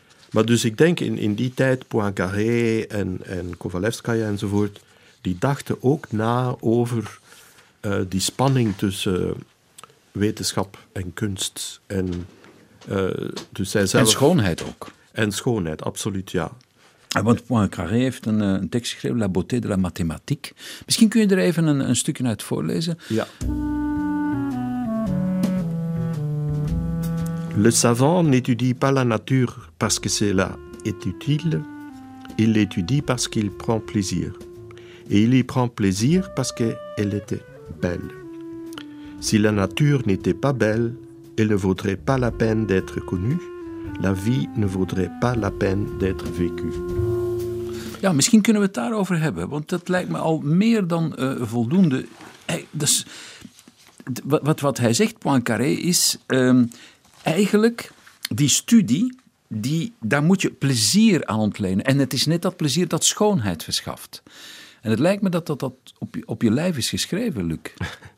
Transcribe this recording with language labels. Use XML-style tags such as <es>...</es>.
<nl>Maar dus ik denk in die tijd, Poincaré en Kovalevskaya enzovoort, die dachten ook na over die spanning tussen wetenschap en kunst. En, dus zij zelf... en schoonheid ook. En schoonheid, absoluut, ja. En want Poincaré heeft een tekst geschreven,</nl> <fr>La beauté de la mathématique.</fr> <nl>Misschien kun je er even een stukje uit voorlezen. Ja.</nl> <fr>Le savant n'étudie pas la nature parce que cela est utile, il l'étudie parce qu'il prend plaisir. Et il y prend plaisir parce qu'elle était belle. Si la nature n'était pas belle, elle ne vaudrait pas la peine d'être connue, la vie ne vaudrait pas la peine d'être vécue.</fr> <nl>Ja, misschien kunnen we het daarover hebben, want dat lijkt me al meer dan voldoende. Hey, dus, wat hij zegt, Poincaré, is... eigenlijk, die studie, daar moet je plezier aan ontlenen. En het is net dat plezier dat schoonheid verschaft. En het lijkt me dat op je lijf is geschreven, Luc.</nl>